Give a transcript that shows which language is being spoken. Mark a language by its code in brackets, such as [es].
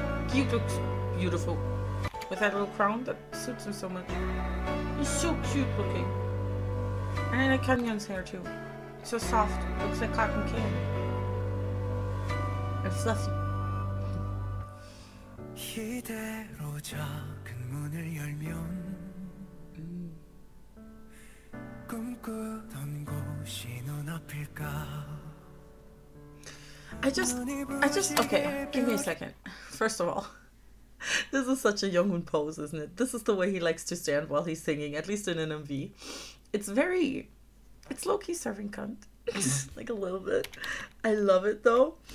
[en] He looks beautiful with that little crown that suits him so much. He's so cute looking. And I like Kanyeon's hair too. So soft. Looks like cotton candy. And fluffy. [ko] 이대로 작은 문을 열면 꿈꾸던 곳이 눈앞일까. [en] I just, okay, give me a second. First of all, this is such a Yeongwoo pose, isn't it? This is the way he likes to stand while he's singing, at least in an MV. It's low-key serving cunt, like a little bit. I love it though.